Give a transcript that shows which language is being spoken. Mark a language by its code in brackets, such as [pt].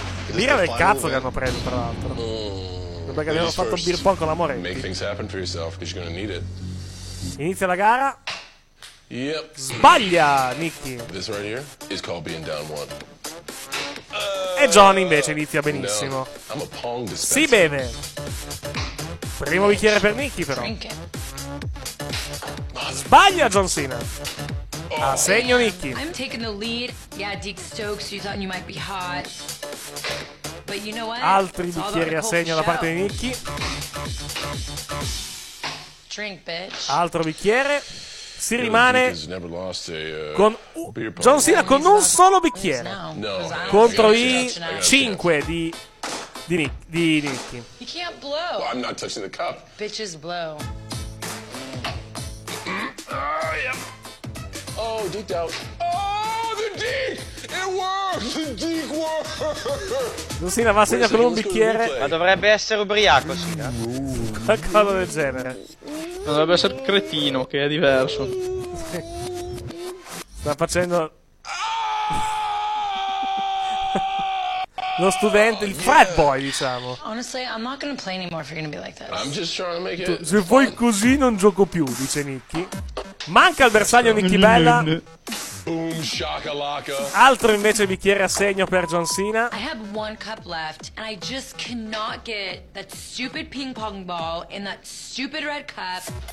[it] Lira del cazzo che hanno preso, tra l'altro. Perché abbiamo fatto beer pong con la Moretti. [en] Make things happen for yourself, because you're gonna need it. [it] Inizia la gara. [en] Yep. [it] Sbaglia, Nikki. [en] This right here is called being down one. [it] E John invece inizia benissimo. No, si beve. Primo bicchiere per Nikki però. Sbaglia John Cena. A segno Nikki. [en] I'm taking the lead. Yeah, Deke Stokes, you thought you might be hot. But you know what? [it] Altri bicchieri a segno da parte di Nikki. [en] Drink, bitch. [it] Altro bicchiere. Si rimane con John Cena con un solo bicchiere contro i 5 di Nikki. [en] You can't blow. Well, I'm not touching the cup. Bitches blow. Oh, yeah. Oh, deked out. Oh, the deek! It works! The deek works! [it] John Cena va a segno con un bicchiere. Ma dovrebbe essere ubriaco, sì. Qualcosa del genere. Dovrebbe essere cretino, che è diverso. Sta facendo lo studente, il frat boy, diciamo. [en] Honestly, I'm not gonna play anymore if you're gonna be like this. I'm just trying to make it. [it] Se vuoi così non gioco più, dice Nikki. Manca il bersaglio Nikki Bella. [en] Boom shakalaka. [it] Altro invece bicchiere a segno per John Cena. [en] I have one cup left and I just cannot get that stupid ping pong ball in that stupid red cup.